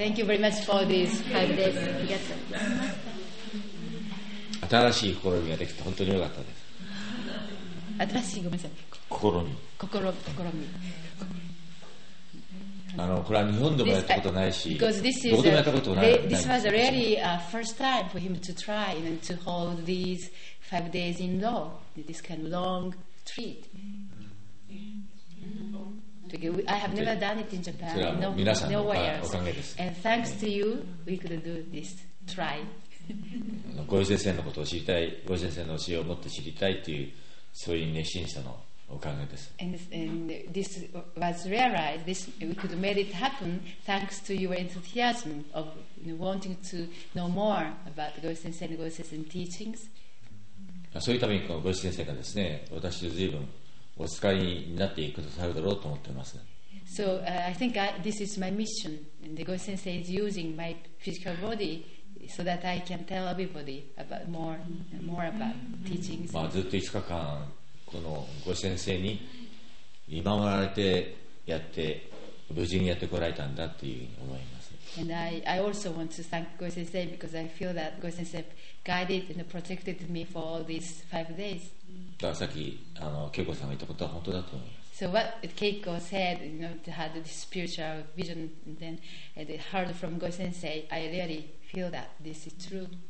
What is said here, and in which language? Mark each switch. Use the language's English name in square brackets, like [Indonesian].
[English] Thank you very much for this 5 days. [Japanese] ありがとうございました。新しい試みができて本当に良かったです。新しいごめんなさい試み試みあのこれは日本でもやったことないし、どこでもやったことない。 [English] This was really a first time for him to try and to hold these 5 days in law, this kind of long retreat. I have never done it in Japan. [Japanese] それは皆さんのおかげです。 [English] And thanks to you, we could do this try. [Japanese] 五井先生のことを知りたい、五井先生の教えをもっと知りたいというそういう熱心さの。おかげです。 [English] And this was realized. This we could make it happen thanks to your enthusiasm of you know, wanting to know more about Goju Sensei and Goju Sensei teachings. [Japanese] そういうためにこの Goju Sensei がですね、私を随分お使いになっていくとされるだろうと思っています。 [English] So I think this is my mission. The Goju Sensei is using my physical body. So that I can tell everybody about more about teachings. [Japanese] まあずっと5日間この五先生に見守られてやって無事にやってこられたんだっていうふうに思います。 [English] And I also want to thank Goju Sensei because I feel that Goju Sensei guided and protected me for all these 5 days. [Japanese] だからさっきあの恵子さんが言ったことは本当だと思います。 [English] So what Keiko said, you know, to have this spiritual vision, and then and heard from Goju Sensei, I really feel that this is true.